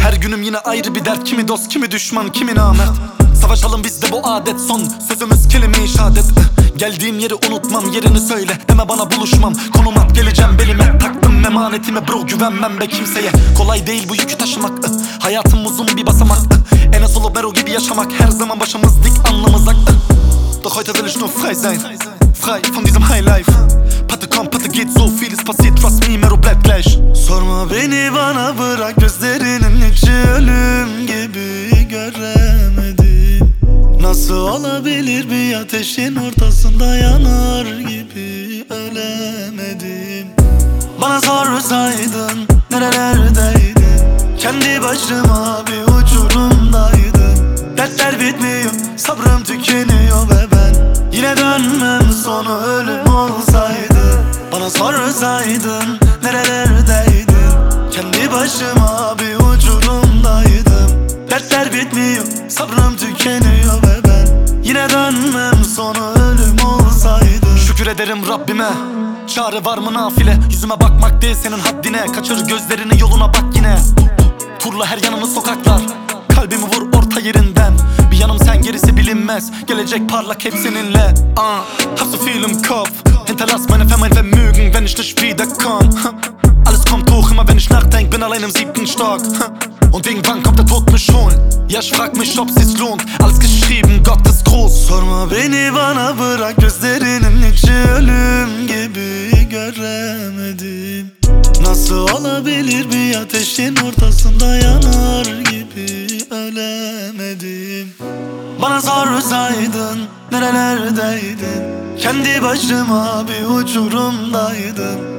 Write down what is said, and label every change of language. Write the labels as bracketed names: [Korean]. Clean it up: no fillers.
[Turkish] Her günüm yine ayrı bir dert, kimi dost kimi düşman kimi namert. Savaşalım bizde bu adet, son sözümüz kelime-i şehadet. Geldiğim yeri unutmam, yerini söyle deme bana buluşmam. Konum at geleceğim belime, taktım emanetime bro, güvenmem be kimseye. Kolay değil bu yükü taşımak, hayatım uzun bir basamak. Enes Olubero gibi yaşamak, her zaman başımız dik anlamazak. [German] Doch heute will ich nur frei sein, frei von diesem [English] high life. [German] Patte komm patte geht, so viel ist passiert, [English] trust me [German] mero bleib gleich. [Turkish] Sorma beni bana bırak, gözlerinin içi ölüm gibi göremedim. Nasıl olabilir bir ateşin ortasında yanar gibi ölemedim. Bana sorsaydın nerelerdeydin, kendi başıma bir uçurumdaydım. Dertler bitmiyor, sabrım tükeniyor ve ben yine dönmem, sonu ölüm olsaydı. Bana sorsaydın nerelerdeydin, kendi başıma bir uçurumdaydım. Dertler bitmiyor, sabrım tükeniyor ve ben yine dönmem, sonu ölüm olsaydı. Şükür ederim Rabbime, çare var mı nafile? Yüzüme bakmak değil senin haddine, kaçır gözlerini yoluna bak yine. Turla her yanını sokaklar, kalbimi vur orta yerinden. Bir yanım sen, gerisi bilinmez, gelecek parlak hep seninle. [German] Hast du viel im Kopf? Hinterlass meine Familie Vermögen, wenn ich nicht wiederkomm. Alles kommt hoch, immer wenn ich nachdenk, bin allein im siebten Stock. Und irgendwann kommt der Tod mich holen. Ja, ich frag mich, ob sie's lohnt. Alles geschrieben, Gott ist groß. [Turkish] Sorma beni bana bırak, gözlerinin içi ölüm gibi göremedim. Nasıl olabilir bir ateşin ortasında yanar gibi ölemedim. Bana sorsaydın nerelerdeydin, kendi başıma bir uçurumdaydım.